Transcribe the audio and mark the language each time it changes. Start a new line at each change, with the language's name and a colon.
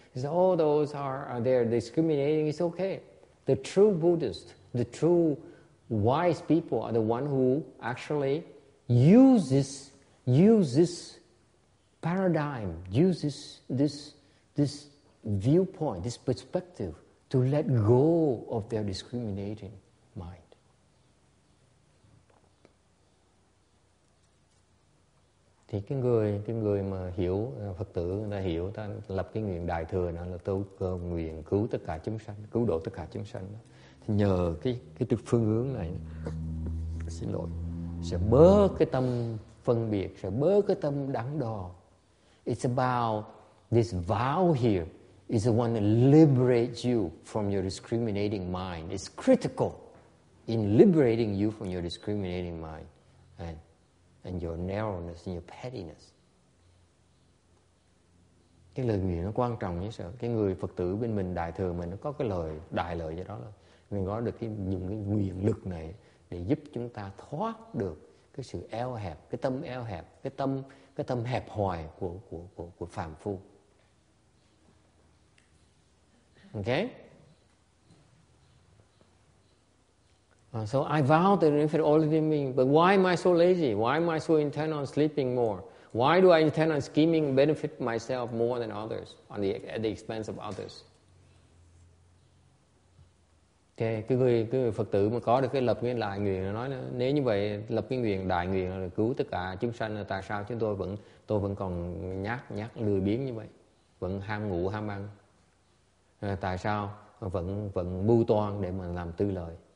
English: It's all those are there discriminating, it's okay. The true Buddhist, the true wise people are the one who actually uses this paradigm, this viewpoint, this perspective to let go of their discriminating mind.
Vietnamese: Thì cái người mà hiểu Phật tử người ta hiểu ta lập cái nguyện đại thừa đó là tôi cầu nguyện cứu tất cả chúng sanh, cứu độ tất cả chúng sanh. Thì nhờ cái trực phương hướng này, xin lỗi, sẽ bớt cái tâm phân biệt, sẽ bớt cái tâm đắn đo.
English: It's about this vow here is the one that liberates you from your discriminating mind. It's critical in liberating you from your discriminating mind and your narrowness and your pettiness.
Vietnamese: Cái lời nguyện nó quan trọng như sao? Cái người Phật tử bên mình, đại thừa mình, nó có cái lời, đại lời cho đó là mình có được những cái nguyện lực này để giúp chúng ta thoát được cái sự eo hẹp, cái tâm eo hẹp, cái tâm hẹp hòi của phàm phu.
English: Okay? So I vow to benefit all living beings, but why am I so lazy? Why am I so intent on sleeping more? Why do I intend on scheming benefit myself more than others at the expense of others?
Vietnamese: Okay, cái người Phật tử mà có được cái lập cái đại nguyện nó nói nếu như vậy lập cái nguyện đại nguyện là cứu tất cả chúng sanh là tại sao chúng tôi vẫn còn nhát lười biếng như vậy, vẫn ham ngủ ham ăn, tại sao vẫn mưu toan để mà làm tư lợi?